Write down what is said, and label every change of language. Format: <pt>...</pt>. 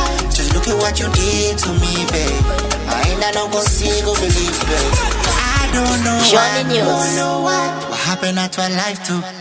<en>Just look at what you did to me, babe.</en> <pt>Ainda não consigo</pt> <en>believe, babe. I don't know why. What happened to our life too?</en>